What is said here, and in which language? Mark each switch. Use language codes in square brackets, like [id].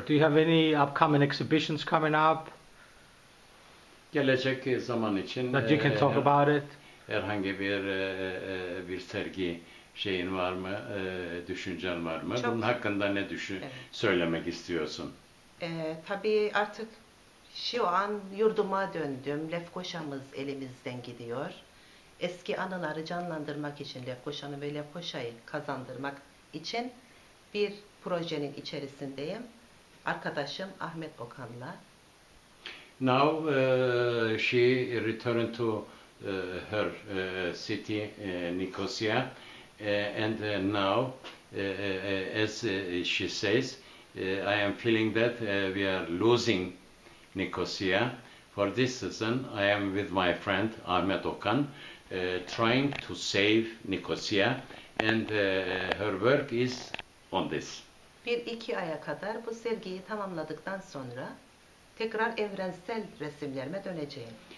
[en] Do you have any upcoming exhibitions coming up? [tr] Gelecek zaman için [en] that you can talk about it. [tr] Herhangi bir bir sergi şeyin var mı, düşüncen var mı? Çok, bunun hakkında ne söylemek istiyorsun? Tabii artık şu an yurduma döndüm. Lefkoşa'mız elimizden gidiyor. Eski anıları canlandırmak için Lefkoşa'nın ve Lefkoşa'yı kazandırmak için bir projenin içerisindeyim. Arkadaşım Ahmet Okan'la. [en] Now she returned to her city Nicosia and now as she says I am feeling that we are losing Nicosia. For this reason I am with my friend Ahmet Okan trying to save Nicosia and her work is on this. [tr] Bir iki aya kadar bu sergiyi tamamladıktan sonra tekrar evrensel resimlerime döneceğim.